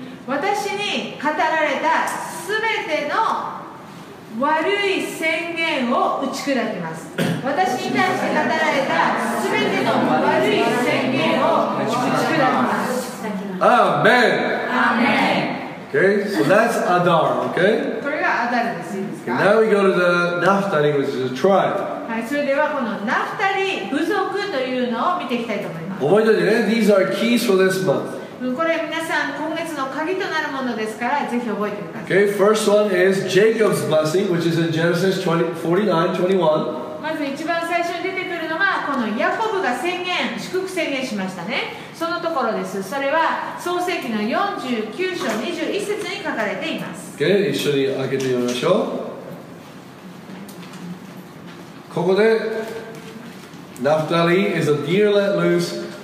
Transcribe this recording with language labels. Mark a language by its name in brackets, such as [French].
[Japanese] 私に語られたすべての悪い宣言を打ち砕きます。私に対して語られたすべての悪い宣言を打ち砕きます。 [English] Amen. Amen. Okay, so that's Adar, okay? [Japanese] これがアダルです、いいですか？ [English] Now we go to the Naphtali, which is a tribe. [Japanese] はい、それではこのナフタリ部族というのを見ていきたいと思います。覚えておいてね、 [English] These are keys for this month. [Japanese] これ皆さん今月の鍵となるものですから、ぜひ覚えてください。 [English] Okay, first one is Jacob's blessing, which is in Genesis 49:21. [Japanese] まず一番最初に出てくるのが、このヤコブが宣言、祝福宣言しましたね。そのところです。それは創世記の49章21節に書かれています。 Okay, 一緒に開けてみましょう。ここで、 [English] Naphtali is a deer let loose.